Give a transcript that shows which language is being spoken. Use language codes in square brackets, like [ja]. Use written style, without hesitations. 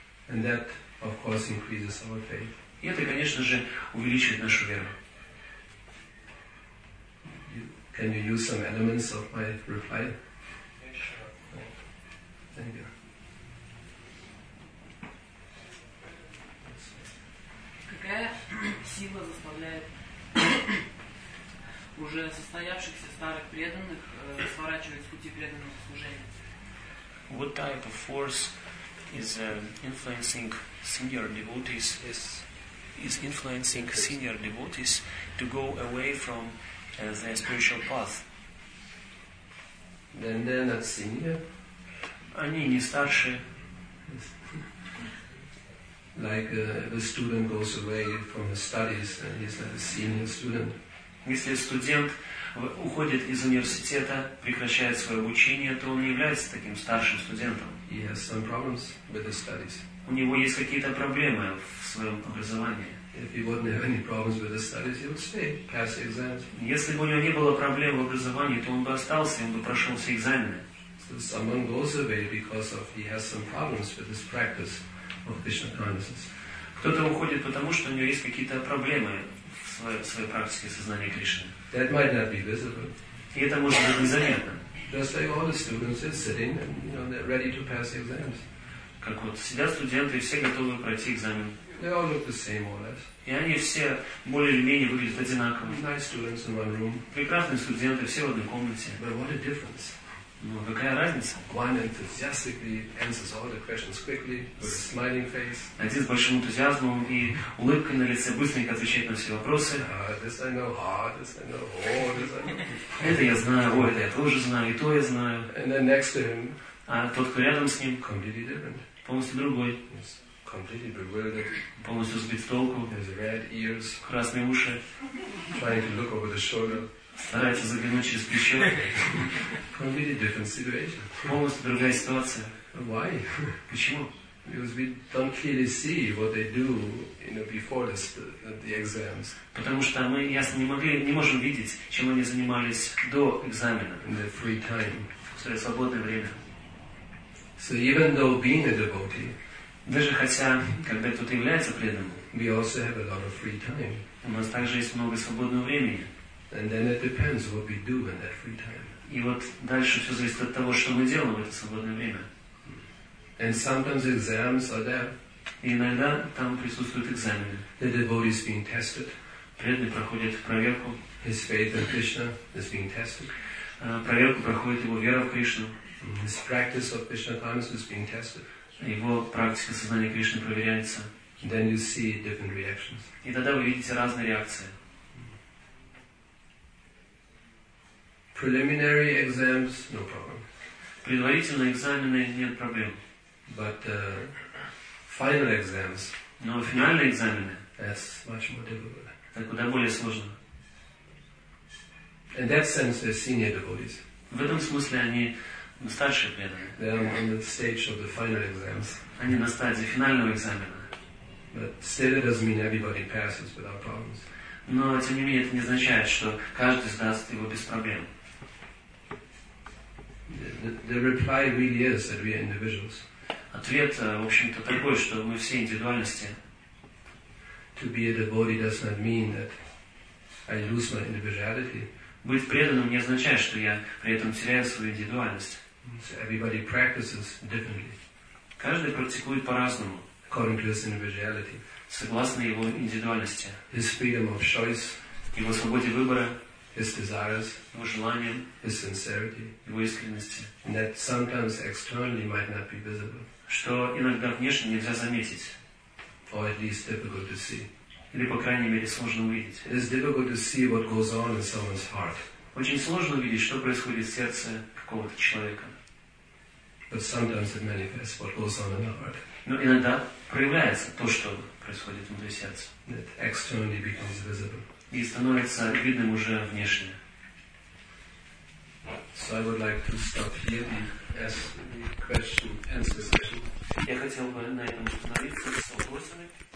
[en] And that, of course, increases our faith. [ru] И это, конечно же, увеличивает нашу веру. [en] Can you use some elements of my reply? Yeah, sure. Thank you. [ru] Какая сила заставляет уже состоявшихся старых преданных сворачивать с пути преданного служения? [en] What type of force is influencing senior devotees? Is influencing senior devotees to go away from their spiritual path? Then they're not senior. [ru] Они не старше. [en] Like if a student goes away from his studies, and he's not a senior student. [ru] Если студент уходит из университета, прекращает свое обучение, то он не является таким старшим студентом. [en] He has some problems with his studies. [ru] У него есть какие-то проблемы в своем образовании. [en] If he wouldn't have any problems with his studies, he would stay, pass the exams. [ru] Если бы у него не было проблем в образовании, то он бы остался, он бы прошел все экзамены. [en] So someone goes away because of he has some problems with his practice of Krishna consciousness. [ru] Кто-то уходит потому, что у него есть какие-то проблемы в своей практике сознания Кришны. [en] That might not be visible. [ru] И это может быть незаметно. [en] Just like all the students are sitting and, you know, they're ready to pass the exams. [ru] Как вот сидят студенты, и все готовы пройти экзамен. [en] They all look the same, more or less. [ru] И они все более или менее выглядят одинаково. [en] Nice students in one room. [ru] Прекрасные студенты, все в одной комнате. [en] But what a difference! [ru] Ну, какая разница? [en] One enthusiastically answers all the questions quickly with a smiling face. [ru] Один с большим энтузиазмом и улыбкой на лице быстренько отвечает на все вопросы. [en] This I know, this I know, this I know. [ru] Это я знаю, ой, это я тоже знаю, и то я знаю. [en] And then next to him. [ru] А тот, кто рядом с ним, [en] completely different. [ru] Полностью другой. [en] Yes. Completely bewildered. [ru] Полностью сбит с толку. [en] His red ears. [ru] Красные уши. [en] Trying to look over the shoulder. [ru] Старается заглянуть через плечо. [en] Completely different situation. [ru] Полностью другая ситуация. [en] Why? [ru] Почему? [en] Because we don't clearly see what they do, you know, before this, the exams. [ru] Потому что мы ясно не можем видеть, чем они занимались до экзамена. [en] In their free time. [ru] В свое свободное время. [en] So even though being a devotee. [ru] Даже хотя, когда кто-то является преданным, [en] we also have a lot of free time. [ru] У нас также есть много свободного времени. [en] And then it depends what we do in that free time. [ru] И вот дальше все зависит от того, что мы делаем в это свободное время. [en] And sometimes exams are there. [ru] И иногда там присутствуют экзамены. [en] The devotee is being tested. [ru] Преданный проходит проверку. [en] His faith in Krishna is being tested. [ru] Проверку проходит его вера в Кришну. [en] His practice of Krishna consciousness is being tested. [ru] Его практика сознания Кришны проверяется. [en] Then you see different reactions. [ru] И тогда вы видите разные реакции. [en] Preliminary exams, no problem. [ru] Предварительные экзамены, нет проблем. [en] But final exams. [ru] Но финальные экзамены. [en] That's much more difficult. [ru] Это куда более сложно. [en] In that sense, they're senior devotees. [ru] В этом смысле они старшие преданные. [en] They are on the stage of the final exams. [ru] Они на стадии финального экзамена. [en] But still, it doesn't mean everybody passes without problems. [ru] Но тем не менее это не означает, что каждый сдаст его без проблем. [en] The reply really is that we are individuals. [ru] Ответ, в общем-то, такой, что мы все индивидуальности. [en] To be a devotee does not mean that I lose my individuality. [ru] Быть преданным не означает, что я при этом теряю свою индивидуальность. [en] So everybody practices differently. [ru] Каждый практикует по-разному. [en] According to his individuality. [ru] Согласно его индивидуальности. [en] His freedom of choice. [ru] Его свободе выбора. [en] His desires. [ru] Его желаниям. [en] His sincerity. [ru] Его искренности. [en] And that sometimes externally might not be visible. [ru] Что иногда внешне нельзя заметить. [en] Or at least difficult to see. [ru] Или, по крайней мере, сложно увидеть. [en] It's difficult to see what goes on in someone's heart. [ru] Очень сложно увидеть, что происходит в сердце какого-то человека. [en] But sometimes it manifests what goes on in the heart. [ru] Но иногда проявляется то, что происходит внутри сердца. [en] It externally becomes visible. [ru] И становится видным уже внешне. [en] So I would like to stop here as the question ends the session. [ru] Я хотел бы на этом остановиться с вопросами.